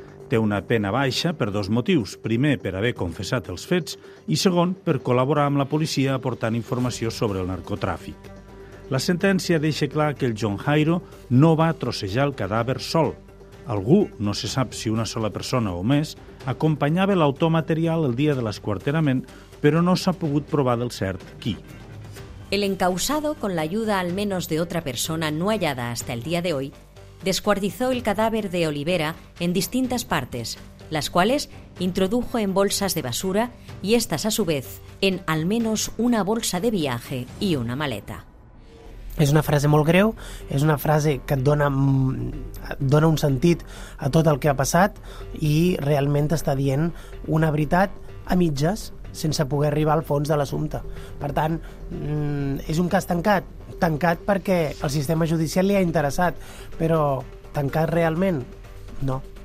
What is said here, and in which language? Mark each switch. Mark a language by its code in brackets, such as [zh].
[ca] Té una pena baixa per dos motius. Primer, per haver confessat els fets i segon, per col·laborar amb la policia aportant informació sobre el narcotràfic. La sentència deixa clar que el John Jairo no va trossejar el cadàver sol. Algú, no se sap si una sola persona o més, acompanyava l'autor material el dia de l'esquarterament, però no s'ha pogut provar del cert qui. [es] El encausado, con la ayuda al menos de otra persona no hallada hasta el día de hoy, descuartizó el cadáver de Olivera en distintas partes, las cuales introdujo en bolsas de basura y estas, a su vez, en al menos una bolsa de viaje y una maleta. [ca] És una frase molt greu, és una frase que dona un sentit a tot el que ha passat i realment està dient una veritat a mitges sense poder arribar al fons de l'assumpte. Per tant, és un cas tancat, tancat perquè el sistema judicial li ha interessat, però tancat realment, no.